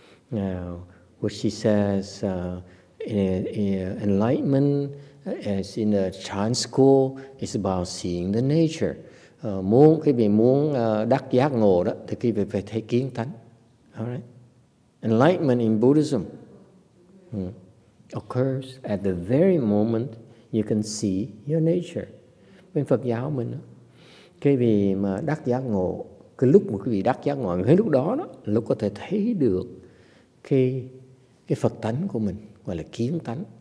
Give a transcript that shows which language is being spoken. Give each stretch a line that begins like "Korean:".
English: Now, what she says, enlightenment as in a Chan school is about seeing the nature.
Vietnamese: Muốn cái vị muốn đắc giác ngộ đó thì cái vị phải thấy kiến tánh.
English: Alright, enlightenment in Buddhism occurs at the very moment you can see your nature.
Vietnamese: Bên Phật giáo mình đó, cái vị mà đắc giác ngộ, cái lúc mà quý vị đắc giác ngộ, cái lúc đó đó, lúc có thể thấy được cái Phật tánh của mình, gọi là kiến tánh.